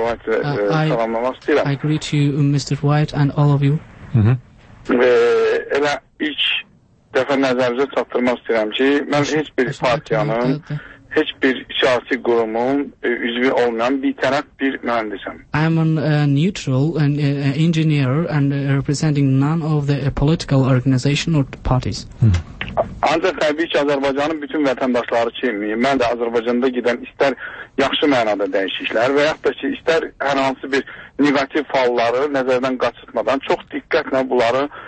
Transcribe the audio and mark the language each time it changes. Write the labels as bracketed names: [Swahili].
[Azerbaijani] White salamlamaq istəyirəm. [English] I greet you, Mr. White, and all of you. [Azerbaijani] Elə ilk dəfə nəzərinizə çatdırmaq istəyirəm ki, mən heç bir partiyanın, heç bir siyasi qurumun üzvü olmayan bir tərəf bir mühəndisəm. [English] I am a neutral and engineer and representing none of the political organization or parties. [Azerbaijani] Ancaq təbii ki, Azərbaycanın bütün vətəndaşları kimiyim. Mən də Azərbaycanda gedən istər yaxşı mənada dəyişikliklər və yaxud da ki, istər hər hansı bir negativ falları nəzərdən qaçırtmadan çox diqqətlə bunları